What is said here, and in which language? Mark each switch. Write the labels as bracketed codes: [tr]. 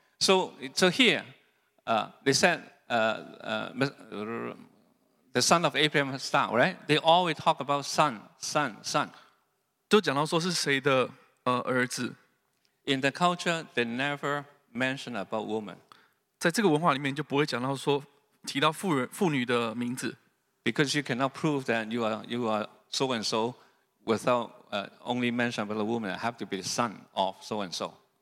[en] So here, they said the son of Abraham stand, right? They always talk about son. [zh] 都讲到说是谁的儿子。 [en] In the culture, they never mention about woman. [zh] 在这个文化里面就不会讲到说提到妇女的名字。 [en] Because you cannot prove that you are so and so without only mention about a woman. I have to be the son of so and so.